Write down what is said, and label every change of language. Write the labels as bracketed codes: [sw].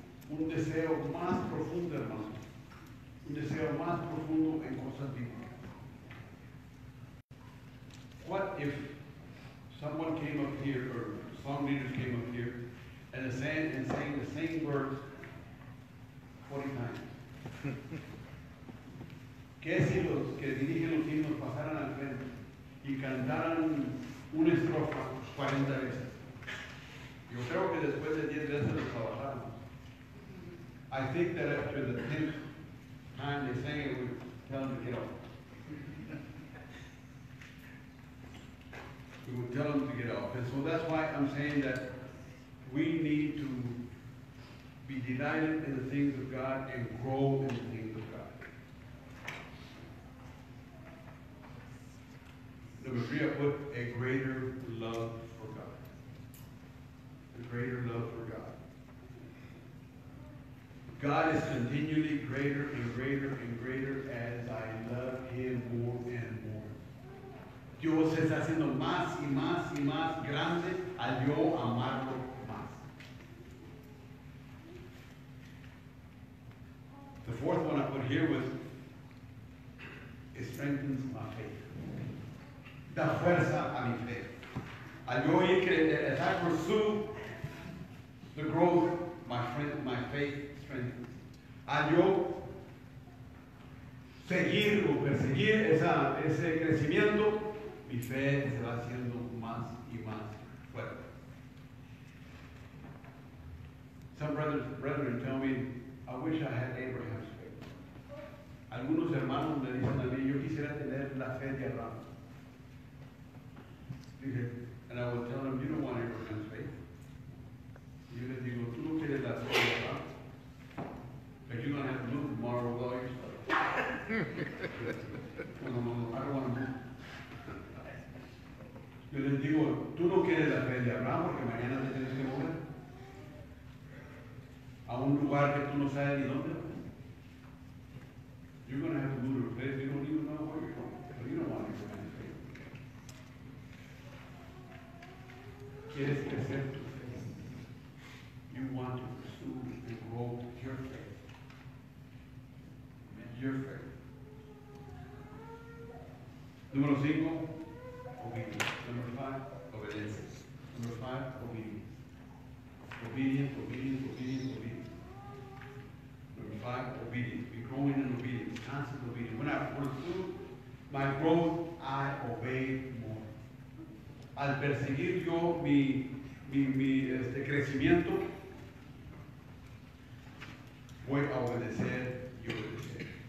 [es] Un deseo más profundo, hermano. Un deseo más profundo en cosas bíblicas. [en] What if someone came up here, or song leaders came up here, and sang the same words 40 times? [es] ¿Qué si los que dirigen los himnos pasaran al frente y cantaran una estrofa 40 veces? Yo creo que después de 10 veces los trabajaron. [en] I think that after the 10th time they sang it, we tell them to get off. We would tell them to get off. And so that's why I'm saying that we need to be delighted in the things of God and grow in the things of God. Number three, I put a greater love for God. A greater love for God. God is continually greater and greater and greater as I love Him more and more. [es] Dios está haciendo más y más y más grande al yo amarlo más. [en] The fourth one I put here was, it strengthens my faith. [es] Da fuerza a mi fe. Al yo ir creyendo, [en] as I pursue the growth, my faith strengthens. [es] Al yo seguir o perseguir ese crecimiento, mi fe se va haciendo más y más fuerte. [en] Some brethren tell me, I wish I had Abraham's faith. [es] Algunos hermanos me dicen a mí, yo quisiera tener la fe de Abraham. [en] And I would tell them, you don't want Abraham's faith. [es] Yo les digo, tú no quieres la fe de Abraham. [en] But you're going to have to move tomorrow with all your stuff. No, I don't want to move. [es] Yo les digo, tú no quieres la fe de Abraham porque mañana te tienes que mover a un lugar que tú no sabes ni dónde. [en] You're going to have to move your faith. You don't even know where you're going. But you don't want to move your faith. [es] Quieres crecer tu fe. [en] You want to pursue and grow your faith. And your faith. [es] Número cinco. [en] Obedience. Number five, obedience. Number five, obedience. Obedience, obedience, obedience, obedience. Number five, obedience. Be growing in obedience, constant obedience. When I pursue my growth, I obey more. [es] Al perseguir yo mi crecimiento, voy a obedecer y obedecer.